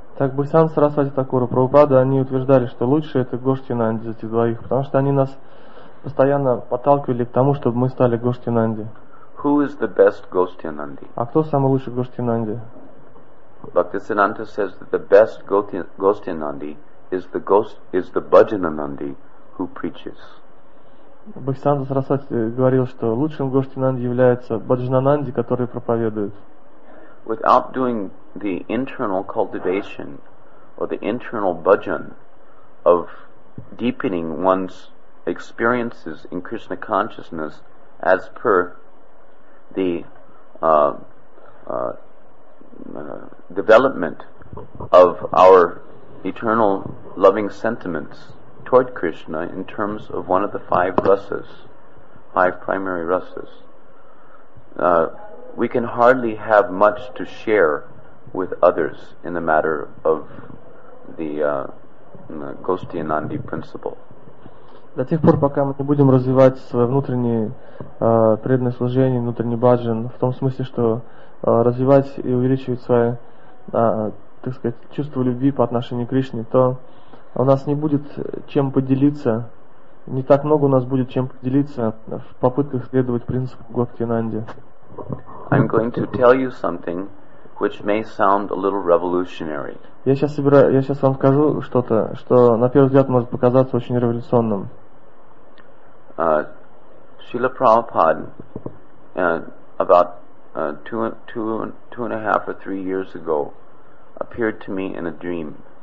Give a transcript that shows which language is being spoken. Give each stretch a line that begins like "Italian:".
Russian: Так Бхактисиддханта Сарасвати Такура Прабхупада, они утверждали, что лучше это Гоштхинанди за этих двоих, потому что они нас постоянно подталкивали к тому, чтобы мы стали Гоштхинанди.
English: Who is the best Гоштхинанди?
Russian: А кто самый лучший Гоштхинанди?
English: Бхактисиддханта says that the best Гоштхинанди is the ghost is the Бхаджананди who preaches.
Russian: Бхактисиддханта Сарасвати говорил, что лучшим Гоштхинанди является Бхаджананди, который проповедует.
English: Without doing the internal cultivation or the internal bhajan of deepening one's experiences in Krishna consciousness as per the development of our eternal loving sentiments toward Krishna in terms of one of the five rasas, five primary rasas, we can hardly have much to share with others in the matter of the Гоштхинанди principle.
Russian: До тех пор, пока мы не будем развивать свое внутреннее преданное служение, внутренний баджан, в том смысле, что развивать и увеличивать свое, так сказать, чувство любви по отношению к Кришне, то у нас не будет чем поделиться, не так много у нас будет чем поделиться в попытках следовать принципу Гоштхинанди.
English: I'm going to tell you something which may sound a little revolutionary.
Russian: Я сейчас вам скажу что-то, что на первый взгляд может показаться очень революционным.
English: Srila Prabhupada, about two and a half or three years ago, appeared to me in a dream.